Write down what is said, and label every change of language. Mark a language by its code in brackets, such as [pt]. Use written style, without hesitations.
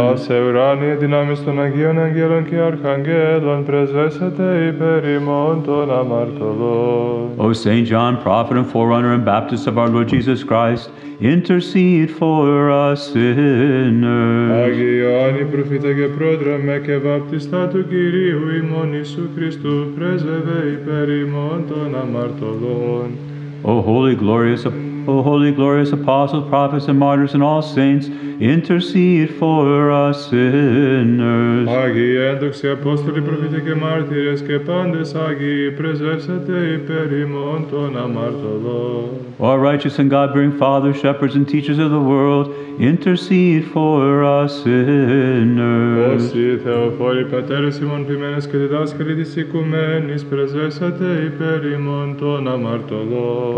[el] Ας ευράνει δυνάμεις των Αγίων Αγγέλων και Αρχαγγέλων, πρεσβέσετε υπέρ ημών των αμαρτωλών. [en] O Saint John, prophet and forerunner and baptist of our Lord Jesus Christ, intercede for us sinners. [el] Άγιε Ιωάννη, προφήτε και πρόδρομε και βαπτιστά του Κυρίου ημών Ιησού Χριστού, πρέσβευε υπέρ ημών των αμαρτωλών. [en] O holy, glorious apostles, prophets, and martyrs, and all saints, intercede for us sinners. [el] Άγιοι ένδοξοι Απόστολοι, προφήτες και μάρτυρες, και πάντες Άγιοι, πρεσβεύσατε υπέρ ημών των αμαρτωλών. [en] O our righteous and God-fearing fathers, shepherds, and teachers of the world, intercede for us sinners. [el] Όσοι Θεοφόροι, πατέρες ημών ποιμένες και διδάσκαλοι της οικουμένης, πρεσβεύσατε υπέρ ημών των αμαρτωλών.